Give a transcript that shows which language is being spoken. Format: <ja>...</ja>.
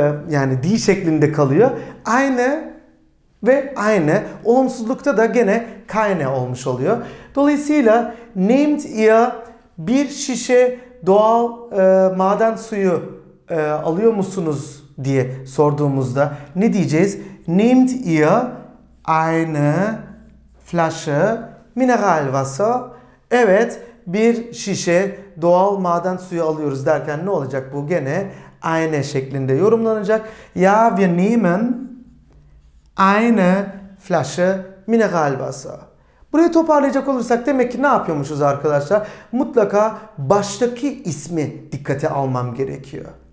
<tr>Yani die şeklinde kalıyor. Aynı ve aynı. Olumsuzlukta da gene keine olmuş oluyor. Dolayısıyla</tr> <de>named ihr</de> <tr>bir şişe doğal maden suyu alıyor musunuz diye sorduğumuzda ne diyeceğiz?</tr> <de>Nehmt ihr eine Flasche Mineralwasser?</de> <tr>Evet, bir şişe doğal maden suyu alıyoruz derken ne olacak bu? Gene eine şeklinde yorumlanacak.</tr> <de>Ja, wir nehmen eine Flasche Mineralwasser.</de> <tr>Burayı toparlayacak olursak demek ki ne yapıyormuşuz arkadaşlar? Mutlaka baştaki ismi dikkate almam gerekiyor.</tr>